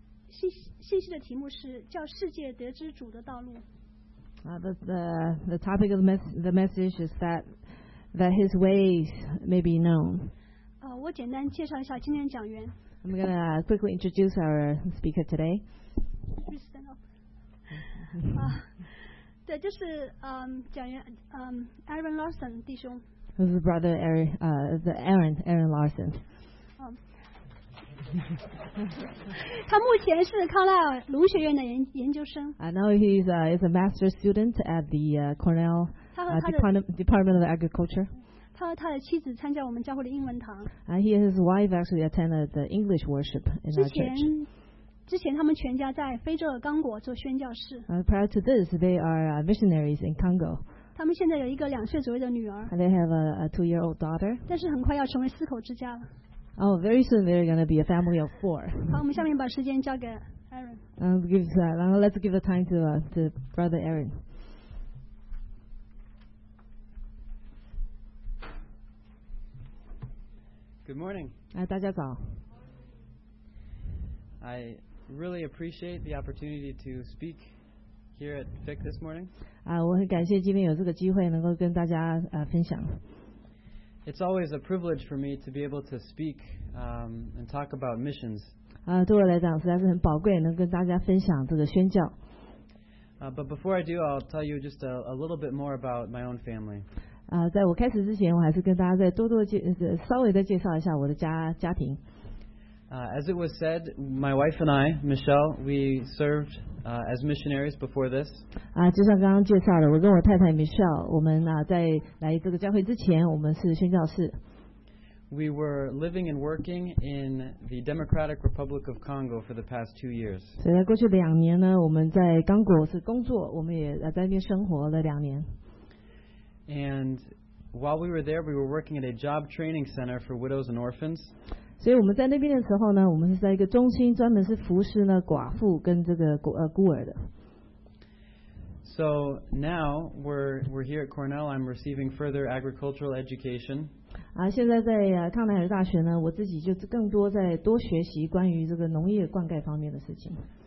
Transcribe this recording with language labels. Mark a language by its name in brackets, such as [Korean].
[Chinese] 信息的题目是叫世界得知主的道路。 [English] The topic of the message is that his ways may be known. [Chinese] 我简单介绍一下今天的讲员。 [English] I'm going to quickly introduce our speaker today. Please stand up. [Chinese] 对，就是讲员Aaron Larson 弟兄。 [English] This is brother Aaron Larson. [Chinese] 他目前是康奈尔龙学院的研究生。 [English] I know he's a master student at the Cornell Department of Agriculture. [Chinese] 他和他的妻子参加我们教会的英文堂。 [English] He and his wife actually attended the English worship in our church. [Chinese] 之前他们全家在非洲的刚果做宣教士。 [English] Prior to this, they are missionaries in Congo. [Chinese] 他们现在有一个两岁左右的女儿。 [English] They have a two-year-old daughter. [Chinese] 但是很快要成为四口之家了。 [English] Oh, very soon they're going to be a family of four. [Chinese] 好，我们下面把时间交给 Aaron. [English] Let's give the time to Brother Aaron. Good morning. [Chinese] 大家早。 [English] I really appreciate the opportunity to speak here at FIC this morning. [Chinese] 我很感谢今天有这个机会能够跟大家分享。 [English] It's always a privilege for me to be able to speak and talk about missions. [Chinese] 对我来讲实在是很宝贵，能跟大家分享这个宣教。 [English] But before I do, I'll tell you just a little bit more about my own family. [Chinese] 在我开始之前，我还是跟大家再稍微的介绍一下我的家庭。 [English] As it was said, my wife and I, Michelle, we served as missionaries before this. [Chinese] 就像刚刚介绍的，我跟我太太 Michelle， 我们在来这个教会之前，我们是宣教士。 [English] We were living and working in the Democratic Republic of Congo for the past 2 years. [Chinese] 所以在过去两年呢，我们在刚果是工作，我们也在那边生活了两年。 [English] And while we were there, we were working at a job training center for widows and orphans. [Chinese] 所以我们在那边的时候呢，我们是在一个中心，专门是服侍呢寡妇跟这个孤儿的。 [English] So now we're here at Cornell. I'm receiving further agricultural education. [Chinese] 现在在康奈尔大学呢，我自己就更多在多学习关于这个农业灌溉方面的事情。